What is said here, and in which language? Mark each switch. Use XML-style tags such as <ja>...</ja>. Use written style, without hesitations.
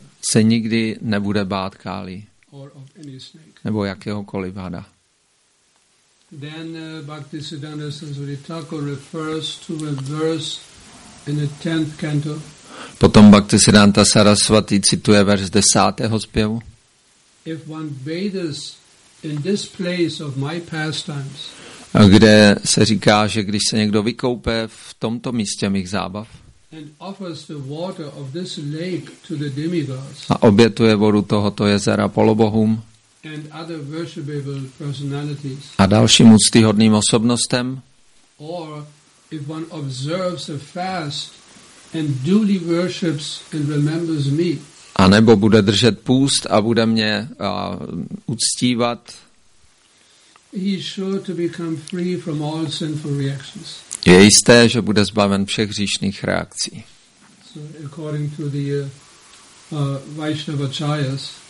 <cs>se nikdy nebude bát Káli</cs> <en>or of any snake.</en> <cs>Nebo jakéhokoliv hada.</cs> <en>Then Bhaktisiddhanta Saraswati Thakur refers to a verse in the 10th canto.</en> <cs>Potom Bhaktisiddhanta Saraswati cituje verš 10. zpěvu.</cs> <en>If one bathes in this place of my pastimes.</en> <cs>A kde se říká, že když se někdo vykoupe v tomto místě mých zábav.</cs> <en>And offers the water of this lake to the demigods.</en> <cs>A obětuje vodu tohoto jezera polobohům.</cs> <en>And other worshipable personalities.</en> <cs>A dalším úctyhodným osobnostem.</cs> <en>Or if one observes a fast and duly worships and remembers me.</en> <cs>A nebo bude držet půst a bude mě uctívat.</cs> <en>He is sure to become free from all sinful reactions.</en> <cs>Je jisté, že bude zbaven všech hříšných reakcí.</cs> <en>So according to the Vaishnavacharyas.</en>